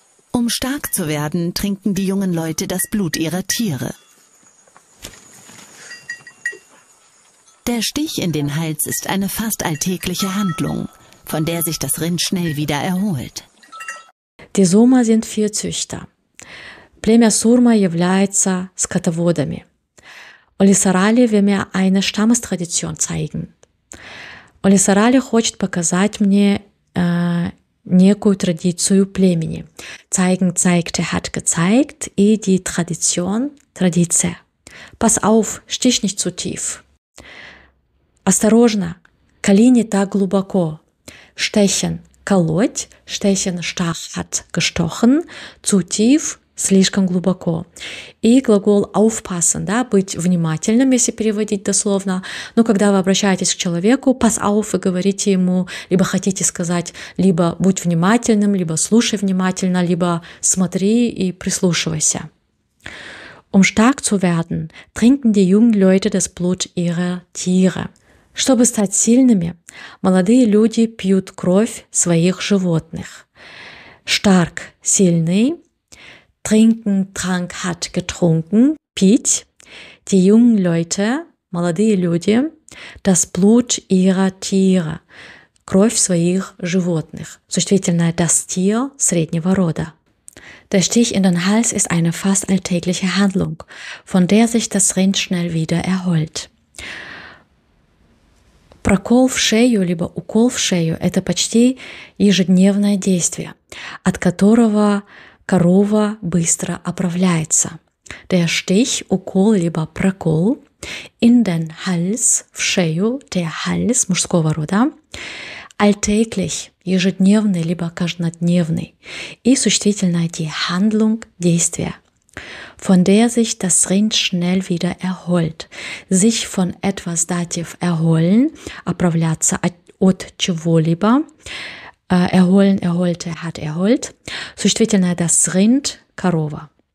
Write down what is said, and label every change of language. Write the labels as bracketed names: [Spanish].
[German] Um stark zu werden, trinken die jungen Leute das Blut ihrer Tiere. Der Stich in den Hals ist eine fast alltägliche Handlung, von der sich das Rind schnell wieder erholt. Die Surma sind Viehzüchter. [Russian] Племя Сурма является скотоводами. [German] Олисарали will mir eine Stammestradition zeigen. [Russian] Олисарали хочет показать мне некую традицию племени. [German] Zeigen zeigte, hat gezeigt, и die Tradition, традиция. Pass auf, stich nicht zu tief. [Russian] Осторожно, коли не так глубоко. [German] Stechen, колоть, stechen, stach, hat gestochen, zu tief, [Russian] слишком глубоко. И глагол aufpassen, да, быть внимательным, если переводить дословно. Но когда вы обращаетесь к человеку, [German] pass auf, [Russian] и говорите ему, либо хотите сказать, либо будь внимательным, либо слушай внимательно, либо смотри и прислушивайся. [German] Um stark zu werden, trinken die jungen Leute das Blut ihrer Tiere. [Russian] Чтобы стать сильными, молодые люди пьют кровь своих животных. [German] Stark, сильный. Trinken, trank, hat getrunken. [Russian] Пить. [German] Die jungen Leute, [Russian] молодые люди, [German] das Blut ihrer Tiere. [Russian] Кровь своих животных. Существительное das Tier среднего рода. [German] Der Stich in den Hals ist eine fast alltägliche Handlung, von der sich das Rind schnell wieder erholt. [Russian] Прокол в шею, либо укол в шею – это почти ежедневное действие, от которого корова быстро оправляется. Der Stich, укол, либо прокол [German] in den Hals, [Russian] в шею, der Hals, мужского рода, alltäglich, ежедневный, либо каждодневный, и существительное die Handlung, действие. [German] Von der sich das Rind schnell wieder erholt. Sich von etwas dativ erholen, [Russian] оправляться от чего-либо. [German] Erholen, erholte, hat erholt. Существительное das Rind, [Russian] корова.